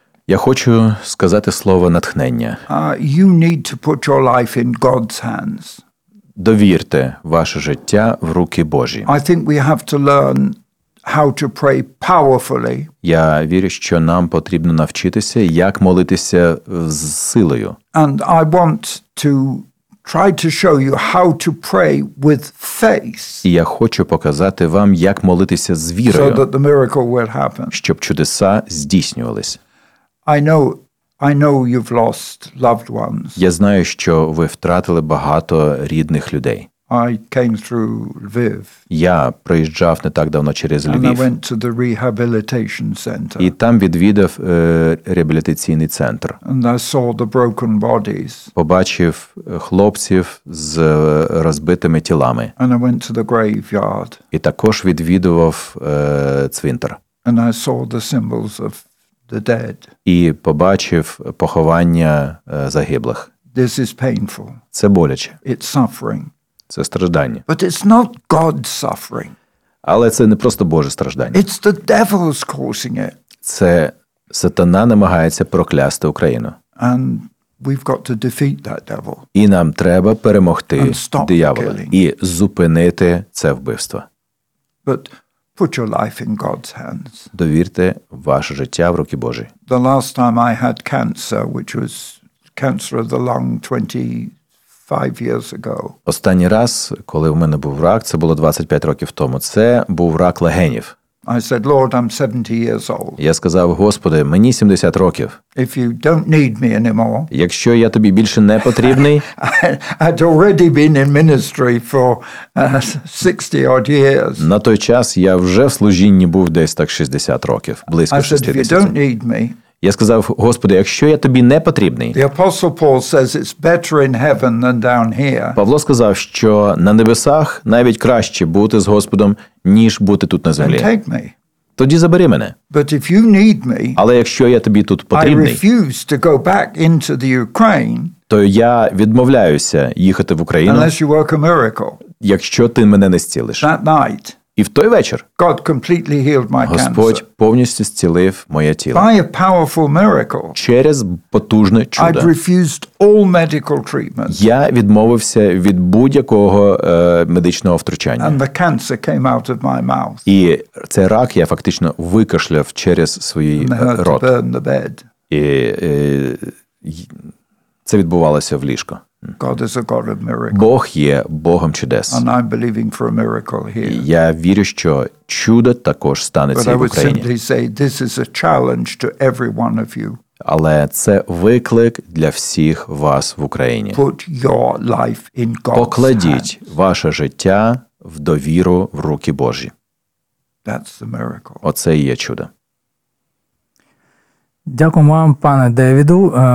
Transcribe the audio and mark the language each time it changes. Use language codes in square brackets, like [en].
[uk] Я хочу сказати слово натхнення. [en] You need to put your life in God's hands. [uk] Довірте ваше життя в руки Божі. [en] I think we have to learn how to pray powerfully. [uk] Я вірю, що нам потрібно навчитися, як молитися з силою. [en] And I want to try to show you how to pray with faith. [uk] І я хочу показати вам, як молитися з вірою. [en] So that the miracle will happen. [uk] Щоб чудеса здійснювались. [en] I know you've lost loved ones. [uk] Я знаю, що ви втратили багато рідних людей. [en] I came through Lviv. [uk] Я проїжджав не так давно через Львів. [en] And I went to the rehabilitation center. [uk] І там відвідав реабілітаційний центр. [en] And I saw the broken bodies. [uk] Побачив хлопців з розбитими тілами. [en] And I went to the graveyard. [uk] І також відвідував цвинтар. [en] And I saw the symbols of the dead. [uk] І побачив поховання загиблих. [en] This is painful. [uk] Це боляче. [en] It's suffering. [uk] Це страждання. [en] But it's not God's suffering. [uk] Але це не просто Боже страждання. [en] It's the devil's causing it. [uk] Це Сатана намагається проклясти Україну. [en] And we've got to defeat that devil. [uk] І нам треба перемогти диявола [en] killing. [uk] І зупинити це вбивство. [en] But put your life in God's hands. [uk] Довірте ваше життя в руки Божі. [en] The last time I had cancer, which was cancer of the lung 5 years ago. [uk] Останній раз, коли в мене був рак, це було 25 років тому, це був рак легенів. [en] I said, Lord, I'm 70 years old. [uk] Я сказав, Господи, мені 70 років. [en] If you don't need me anymore. [uk] Якщо я тобі більше не потрібний. [en] I'd already been in ministry for 60 odd years. [uk] На той час я вже в служінні був десь так 60 років, близько 60. [en] I said, if you don't need me. [uk] Я сказав, Господи, якщо я тобі не потрібний. [en] The apostle Paul says it's better in heaven than down here. [uk] Павло сказав, що на небесах навіть краще бути з Господом, ніж бути тут на землі. [en] Then take me. [uk] Тоді забери мене. [en] But if you need me, [uk] але якщо я тобі тут потрібний, [en] I refuse to go back into the Ukraine, [uk] то я відмовляюся їхати в Україну, [en] unless you work a miracle. [uk] Якщо ти мене не зцілиш. [en] That night. [uk] І в той вечір [en] God completely healed my [uk] Господь [en] cancer. [uk] Повністю зцілив моє тіло. [en] By a powerful miracle, [uk] через потужне чудо. [en] I'd refused all medical treatment. [uk] Я відмовився від будь-якого медичного втручання. [en] And the cancer came out of my mouth. [uk] І цей рак я фактично викашляв через свій рот. [en] Burn the bed. [uk] І це відбувалося в ліжко. [en] God is a God of miracles. [uk] Бог є Богом чудес. [en] And I'm believing for a miracle here. [uk] Я вірю, що чудо також станеться в Україні. [en] But I would simply say, this is a challenge to every one of you. [uk] Але це виклик для всіх вас в Україні. [en] Put your life in God's hands. [uk] Покладіть ваше життя в довіру в руки Божі. [en] That's the miracle. [uk] Оце і є чудо. Дякую вам, пане Девіду.